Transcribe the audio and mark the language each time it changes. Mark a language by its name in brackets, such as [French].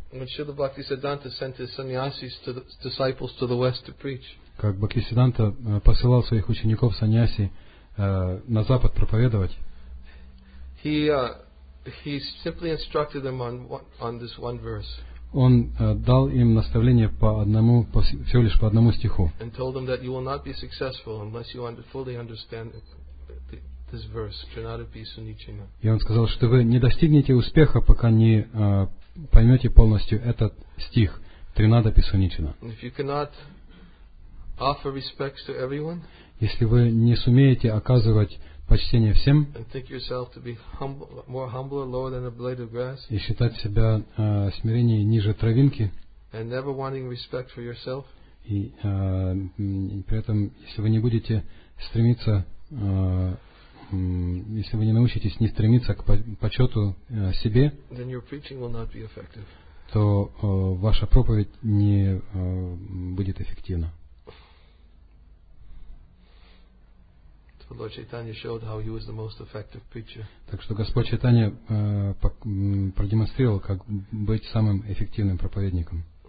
[English] When Srila Bhaktisiddhanta sent his sannyasis to the disciples to the west to preach. [Russian] Как Бхактисиддханта посылал своих учеников саньяси на запад проповедовать. [English] He simply instructed them on this one verse. [Russian] Он дал им наставление по одному, всего лишь по одному стиху. [English] And told them that you will not be successful unless you fully understand this verse, Janadipi Sunichina. [Russian] И он сказал, что вы не достигнете успеха, пока не поймете полностью этот стих, Тринадапи Сунничина. [English] If you cannot offer respects to everyone, [Russian] если вы не сумеете оказывать почтение всем, [English] and think yourself to be humble, more humble, lower than a blade of grass, [Russian] и считать себя смиреннее ниже травинки, [English] and never wanting respect for yourself, [Russian] и при этом, если вы не будете стремиться, если вы не научитесь не стремиться к почету себе, [English] then your preaching will not be effective. [Russian] То ваша проповедь не будет эффективна. [English] Lord Chaitanya showed how he was the most effective preacher. [Russian] Так что Господь Чайтанья продемонстрировал, как быть самым эффективным проповедником.